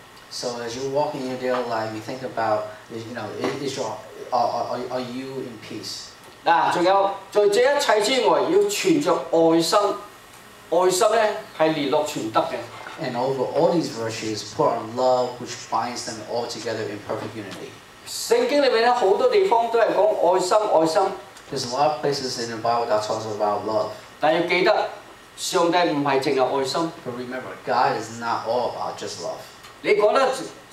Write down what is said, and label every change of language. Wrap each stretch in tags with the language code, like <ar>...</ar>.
<en>So as you walk in your daily life, you think about, you know, are you in peace?</en> <zh>还有,在这一切之外,要存着爱心,爱心是利落存得的。And</zh> <en>over all these virtues, put on love which binds them all together in perfect unity.</en> <zh>圣经里面,很多地方都是说爱心,爱心。</zh> <en>There's a lot of places in the Bible that talks about love.</en> <zh>但要记得,上帝不是只有爱心。</zh> <en>But remember, God is not all about just love.</en>